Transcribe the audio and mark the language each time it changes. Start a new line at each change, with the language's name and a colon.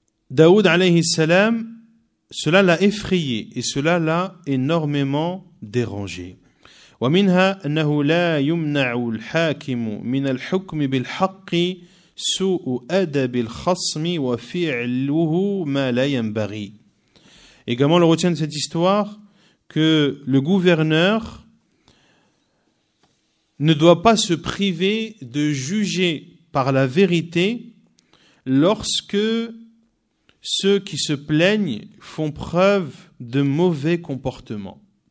French: Daoud alayhi salam, cela l'a effrayé et cela l'a énormément dérangé.
Arabic: ومنها أنه لا يمنع الحاكم من الحكم بالحق سوء أدب الخصم وفعله ما لا ينبغي.
French: Également, on retient de cette histoire que le gouverneur ne doit pas se priver de juger par la vérité lorsque ceux qui se plaignent font preuve de mauvais comportement.